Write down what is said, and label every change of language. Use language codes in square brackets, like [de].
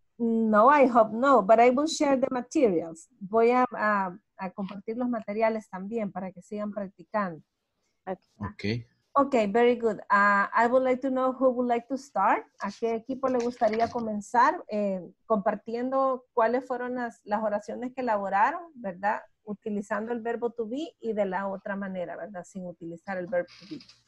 [en] No, I hope no, but I will share the materials. [es] Voy a compartir los materiales también para que sigan practicando. [en] Okay. Okay, very good. I would like to know who would like to start. [es] ¿A qué equipo le gustaría comenzar compartiendo cuáles fueron las oraciones que elaboraron, ¿verdad? Utilizando el verbo to be y de la otra manera, ¿verdad? Sin utilizar el verbo to be.